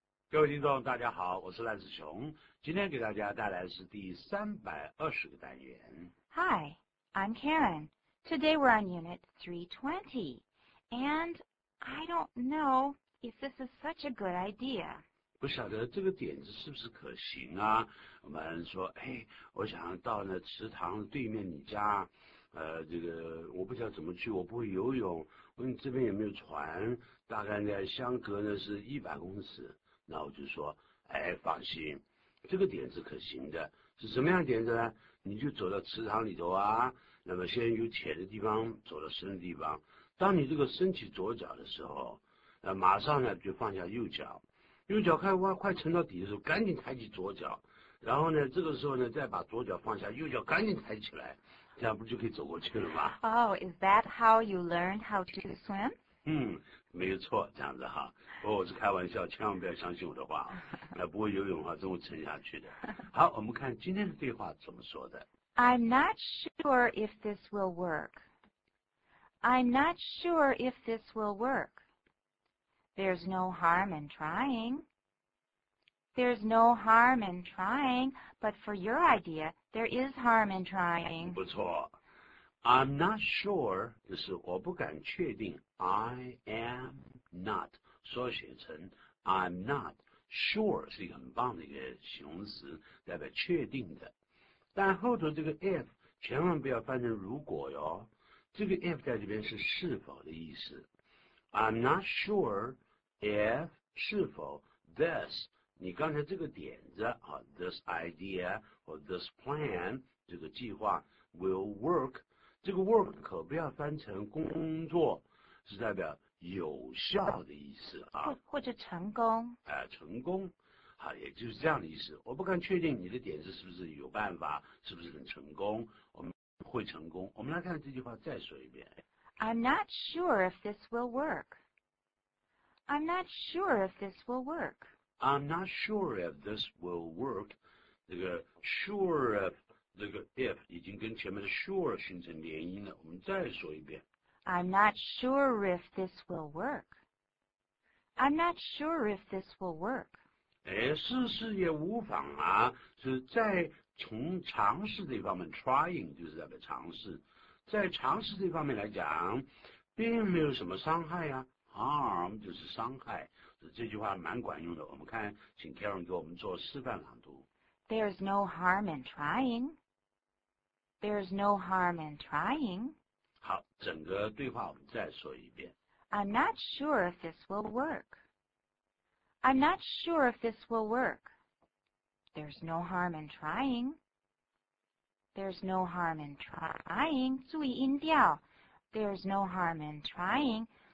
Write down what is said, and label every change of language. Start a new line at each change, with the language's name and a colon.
Chinese: 各位听众，大家好，我是赖子雄，今天给大家带来的是第320个单元。
English: Hi, I'm Karen. Today we're on Unit 320, and I don't know if this is such a good idea.
Chinese: 不晓得这个点子是不是可行啊？我们说，哎，我想到那池塘对面你家，这个我不晓得怎么去，我不会游泳。问你这边有没有船？大概呢，相隔呢是100公尺。那我就说，哎，放心，这个点子可行的。是什么样的点子呢？你就走到池塘里头啊，那么先由浅的地方走到深的地方。当你这个伸起左脚的时候，马上呢就放下右脚。右脚快沉到底的时候，赶紧抬起左脚，然后呢，这个时候呢，再把左脚放下，右脚赶紧抬起来，这样不就可以走过去了吗？
English: 哦、oh, ，Is that how you learn how to swim？
Chinese: 嗯，没有错，这样子哈。不过我是开玩笑，千万不要相信我的话。那不会游泳的话，真会沉下去的。好，我们看今天的对话怎么说的。
English: I'm not sure if this will work. I'm not sure if this will work. There's no harm in trying. There's no harm in trying, but for your idea, there is harm in trying.
Chinese: 不错。
English: I'm not sure,
Chinese: 就是我不敢确定。
English: I am not,
Chinese: 缩写成
English: I'm not sure,
Chinese: 是一个很棒的一个形容词，代表确定的。但后头这个 if, 千万不要翻成如果哟。这个 if 在这边是是否的意思。
English: I'm not sure,If,
Chinese: 是否 this, 你刚才这个点子、啊、
English: this idea, or this plan,
Chinese: 这个计划
English: will work,
Chinese: 这个 work 可不要翻成工作，是代表有效的意思啊。或者成功。成功、啊、也就是这样的意思。我不敢确定你的点子是不是有办法，是不是很成功，我们会成功。我们来看这句话再说一遍。
English: I'm not sure if this will work. I'm not sure if this will work. I'm not sure if this will work.
Chinese: 这个 sure if, 这个 if 已经跟前面的 sure 形成连音了。我们再说一遍。 I'm not sure if this will work. I'm not sure if this will work. 哎，试试也无妨啊，是在从尝试这方面 ,trying 就是代表尝试。在尝试这方面来讲，并没有什么伤害啊。 Harm 就是伤害，这句话蛮管用的。我们看，请 Karen 给我们做示范朗读。
English: There's no harm in trying. There's no harm in trying.
Chinese: 好，整个对话我们再说一遍。
English: I'm not sure if this will work. I'm not sure if this will work. There's no harm in trying. There's no harm in trying.
Chinese: 注意音调。
English: There's no harm in trying.